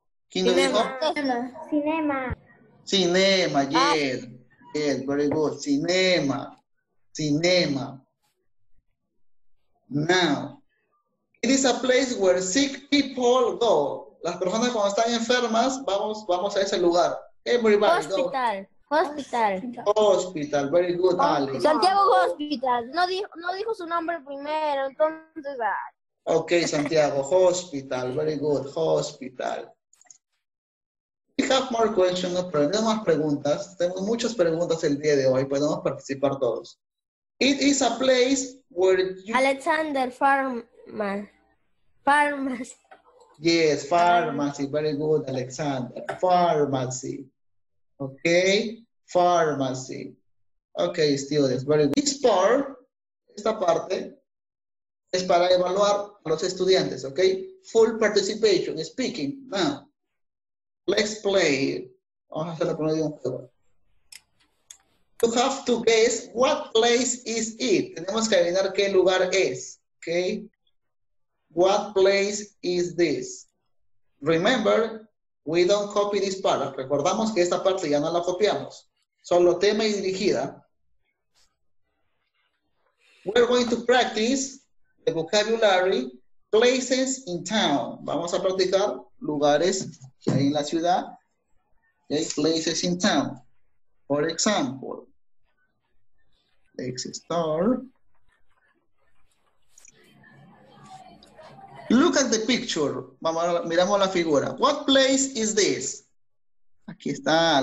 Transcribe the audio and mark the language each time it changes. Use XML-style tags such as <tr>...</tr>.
<en>Cinema. Cinema, yes. Yes, very good. Cinema. Cinema. Now, it is a place where sick people go.</en> <es>Las personas cuando están enfermas, vamos a ese lugar.</es> <en>Everybody hospital. Go. Hospital. Hospital, very good, Alex.</en> <es>Santiago Hospital. No dijo su nombre primero, entonces.</es> <en>Ok, Santiago. Hospital, very good. Hospital. We have more questions, no problem,</en> <es>más preguntas. Tenemos muchas preguntas el día de hoy, podemos participar todos.</es> <en>It is a place where you... Alexander, pharmacy. Yes, pharmacy, very good, Alexander. Pharmacy. Okay, pharmacy. Okay, students, very good. This part,</en> <es>esta parte, es para evaluar a los estudiantes,</es> <en>okay? Full participation, speaking, now. Let's play.</en> <es>Vamos a hacer la primera de un juego.</es> <en>You have to guess what place is it.</en> <es>Tenemos que adivinar qué lugar es. Okay.</es> <en>What place is this? Remember, we don't copy this part.</en> <es>Recordamos que esta parte ya no la copiamos. Solo tema y dirigida.</es> <en>We're going to practice the vocabulary places in town.</en> <es>Vamos a practicar lugares que hay en la ciudad.</es> <en>Okay, places in town. For example, let's start. Look at the picture.</en> <es>Miramos la figura.</es> <en>What place is this?</en> <es>Aquí está.</es>